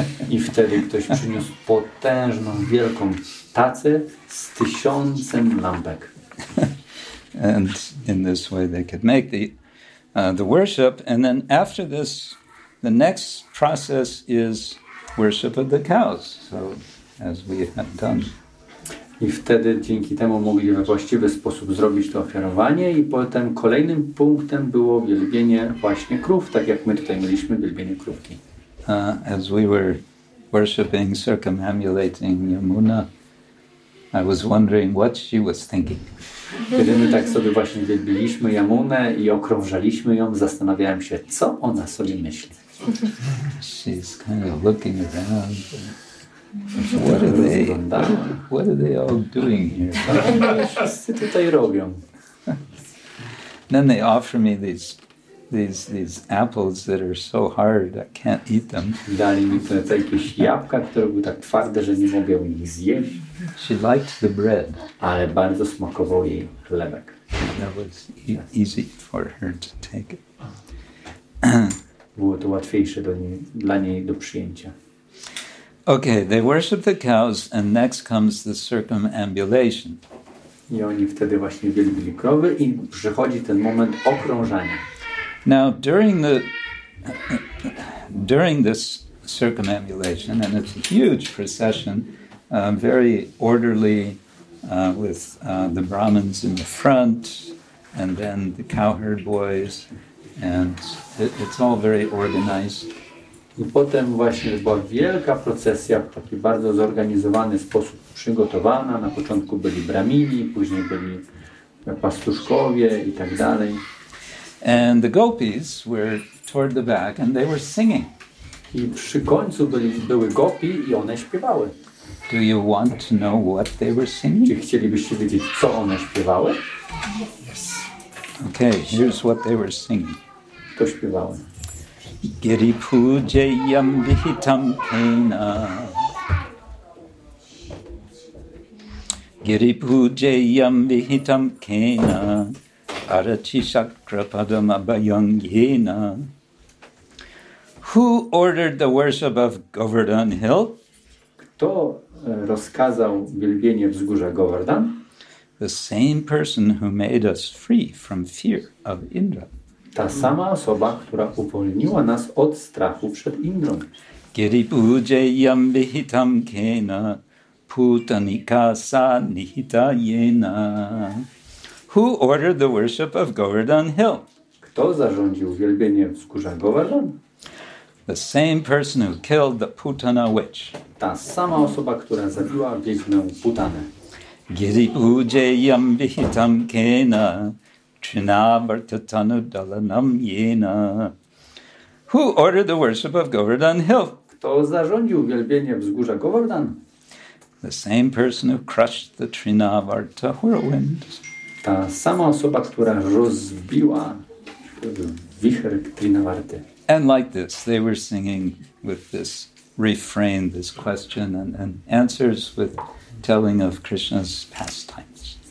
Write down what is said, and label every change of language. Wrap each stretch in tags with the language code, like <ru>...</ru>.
<pl>I wtedy ktoś przyniósł potężną, wielką tacę z tysiącem lampek.</pl> <en>And in this way they could make the worship. And then after this, the next process is worship of the cows. So, as we have done.</en> <pl>I wtedy dzięki temu mogli we właściwy sposób zrobić to ofiarowanie i potem kolejnym punktem było wielbienie właśnie krów, tak jak my tutaj mieliśmy wielbienie krówki.</pl> <en>As we were worshiping, circumambulating Yamuna, I was wondering what she was thinking.</en> <pl>Kiedy my tak sobie właśnie wielbiliśmy Yamunę i okrążaliśmy ją, zastanawiałem się, co ona sobie myśli.</pl> <en>She's kind of looking around. What are they all doing here?</en> <pl>Wszyscy tutaj robią.</pl> <en>Then they offer me these apples that are so hard I can't eat them.</en> <pl>Dali mi te jakieś jabłka, które były tak twarde, że nie mogę ich zjeść.</pl> <en>She liked the bread.</en> <pl>Ale bardzo smakował jej chlebek.</pl> <en>That was easy for her to take it.</en> <pl>Było to łatwiejsze dla niej do przyjęcia.</pl> <en>Okay, they worship the cows, and next comes the circumambulation.</en> <pl>I oni wtedy właśnie wielbili krowy i przychodzi ten moment okrążania.</pl> <en>Now, during this circumambulation, and it's a huge procession, very orderly, with the Brahmins in the front, and then the cowherd boys, and it's all very organized.</en> <pl>I potem właśnie była wielka procesja w taki bardzo zorganizowany sposób przygotowana. Na początku byli bramini, później byli pastuszkowie i tak dalej.</pl> <en>And the gopis were toward the back and they were singing.</en> <pl>I przy końcu były gopi i one śpiewały.</pl> <en>Do you want to know what they were singing?</en> <pl>Czy chcielibyście wiedzieć, co one śpiewały?</pl> <en>Yes. Okay, here's what they were singing.</en> <pl>To śpiewały.</pl> <sa>Giri pujayam vihitam kena. Giri pujayam vihitam kena. Arachi shakrapadam abhayam yena.</sa> <en>Who ordered the worship of Govardhan Hill?</en> <pl>Kto rozkazał wielbienie wzgórza Govardhan?</pl> <en>The same person who made us free from fear of Indra.</en> <pl>Ta sama osoba, która uwolniła nas od strachu przed Indrą.</pl> <sa>Giri pujayam vihitam kena, putanika sa nihita yena.</sa> <en>Who ordered the worship of Govardhan Hill?</en> <pl>Kto zarządził wielbienie wzgórza Govardhan?</pl> <en>The same person who killed the Putana witch.</en> <pl>Ta sama osoba, która zabiła wiedźmę Putanę.</pl> <sa>Giri pujayam vihitam kena, Trinavartatanudalanam yena.</sa> <en>Who ordered the worship of Govardhan Hill?</en> <pl>Kto zarządził wielbienie wzgórza Govardhan?</pl> <en>The same person who crushed the Trinavarta whirlwind.</en> <pl>Ta sama osoba, która rozbiła wicher Trinavarty.</pl> <en>And like this, they were singing with this refrain, this question and answers with telling of Krishna's pastimes.</en>